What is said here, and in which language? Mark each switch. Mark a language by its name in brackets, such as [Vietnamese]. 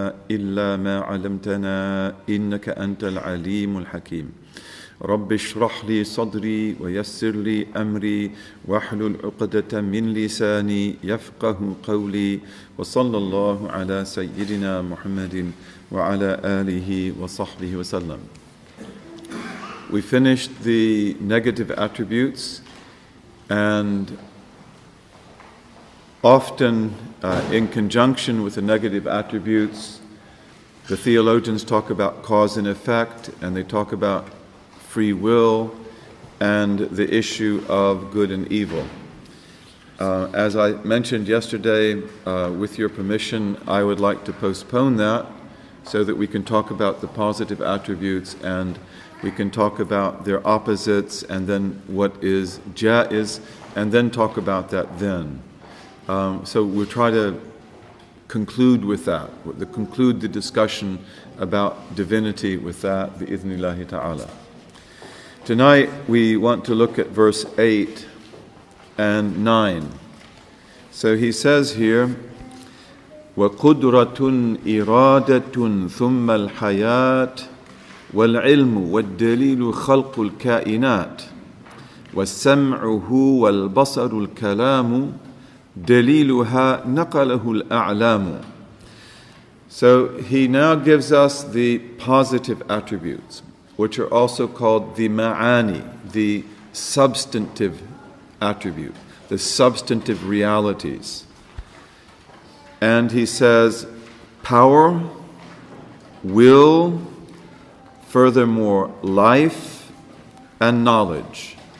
[Arabic] إلا ما علمتنا إنك أنت العليم الحكيم رب اشرح لي صدري ويسر لي أمري واحلل عقدة من لساني يفقه قولي وصلى الله على سيدنا محمد وعلى آله وصحبه وسلم. [English] We finished the negative attributes, and often in conjunction with the negative attributes, the theologians talk about cause and effect, and they talk about free will and the issue of good and evil. As I mentioned yesterday, with your permission, I would like to postpone that so that we can talk about the positive attributes and we can talk about their opposites and then what is jaiz, and then talk about that then. So we'll try to conclude with that, conclude the discussion about divinity with that, bi'idhnillahi ta'ala. Tonight we want to look at verse 8 and 9. So he says here, [Arabic] وَقُدْرَةٌ إِرَادَةٌ ثُمَّ الْحَيَاةِ وَالْعِلْمُ وَالدَّلِيلُ خَلْقُ الْكَائِنَاتِ وَالسَّمْعُهُ وَالْبَصَرُ الْكَلَامُ دَلِيلُهَا نَقَلَهُ الْأَعْلَامُ. [English] So he now gives us the positive attributes, which are also called the ma'ani, the substantive attribute, the substantive realities. And he says, power, will, furthermore, life, and knowledge.